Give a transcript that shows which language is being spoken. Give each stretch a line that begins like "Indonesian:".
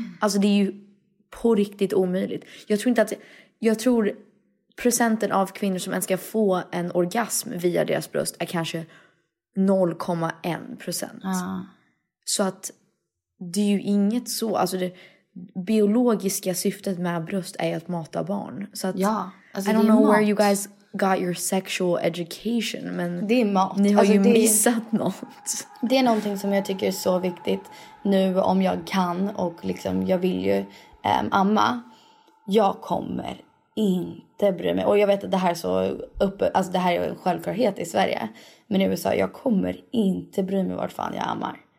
Swedish: Alltså det är ju på riktigt omöjligt. Jag tror inte att, jag tror procenten av kvinnor som ens ska få en orgasm via deras bröst är kanske 0,1%. Så att det är ju inget så, alltså det biologiska syftet med bröst är att mata barn. Så att ja,
English: alltså I don't know where you guys got your sexual education, men
Swedish: det är mat. Ni har alltså ju missat något. Det är någonting som jag tycker är så viktigt nu om jag kan och liksom jag vill ju amma. Jag kommer inte bryr mig. Och jag vet att det här är så uppe, alltså det här är en självklarhet i Sverige. Men i USA, jag kommer inte bry mig vart fan jag ammar.